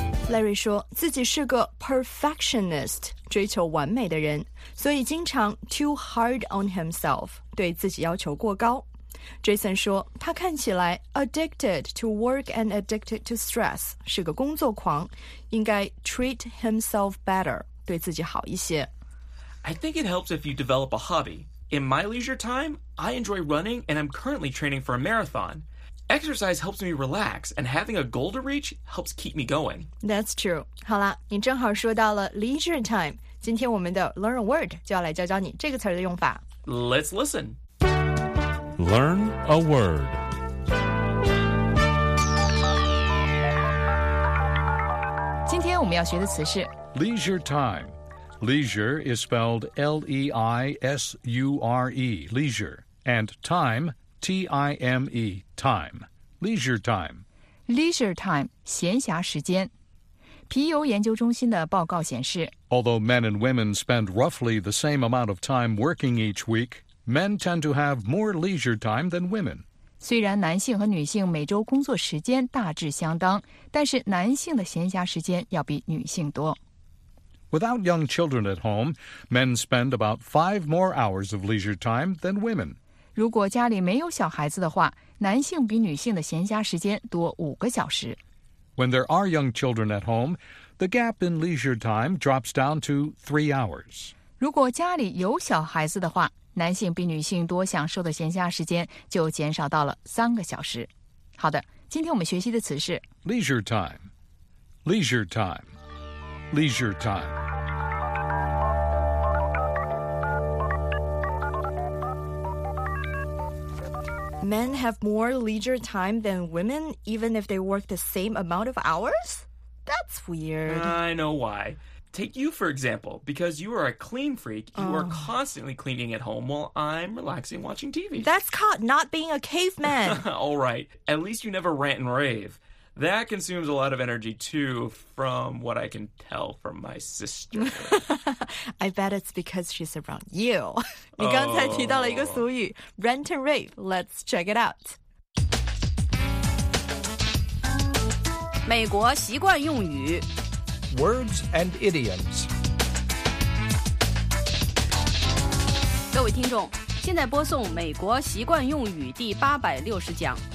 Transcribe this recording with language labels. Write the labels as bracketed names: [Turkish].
[Chinese] Larry 说自己是个 perfectionist， 追求完美的人，所以经常 [English] too hard on himself， [Chinese] 对自己要求过高。 Jason 说他看起来 [English] addicted to work and addicted to stress [Chinese] 是个工作狂应该 [English] treat himself better [Chinese] 对自己好一些 [English] I think it helps if you develop a hobby In my leisure time, I enjoy running and I'm currently training for a marathon Exercise helps me relax and having a goal to reach helps keep me going That's true [Chinese] 好了，你正好说到了 leisure time 今天我们的 learn a word 就要来教教你这个词的用法 [English] Let's listen Learn a word. Today, we're going to learn the word leisure time. Leisure is spelled L-E-I-S-U-R-E, leisure, and time, T-I-M-E, time. Leisure time. [Chinese] Leisure time, 闲暇时间。皮尤研究中心的报告显示 [English] Although men and women spend roughly the same amount of time working each week,Men tend to have more leisure time than women. [Chinese] 虽然男性和女性每周工作时间大致相当，但是男性的闲暇时间要比女性多。 [English] Without young children at home, men spend about 5 more hours of leisure time than women. [Chinese] 如果家里没有小孩子的话，男性比女性的闲暇时间多五个小时。 [English] When there are young children at home, the gap in leisure time drops down to 3 hours. [Chinese] 如果家里有小孩子的话，男性比女性多享受的闲暇时间就减少到了三个小时。好的，今天我们学习的词是 [English] leisure time, leisure time, leisure time。 Men have more leisure time than women, even if they work the same amount of hours? That's weird. I know why. Take you, for example. Because you are a clean freak, you are constantly cleaning at home while I'm relaxing watching TV. That's called not being a caveman. All right. At least you never rant and rave. That consumes a lot of energy, too, from what I can tell from my sister. I bet it's because she's around you. [Chinese] 你刚才提到了一个俗语, rant and rave. [English] Let's check it out. [Chinese] 美国习惯用语 [English] Words and idioms. [Chinese] 各位听众, 现在播送美国习惯用语第860讲。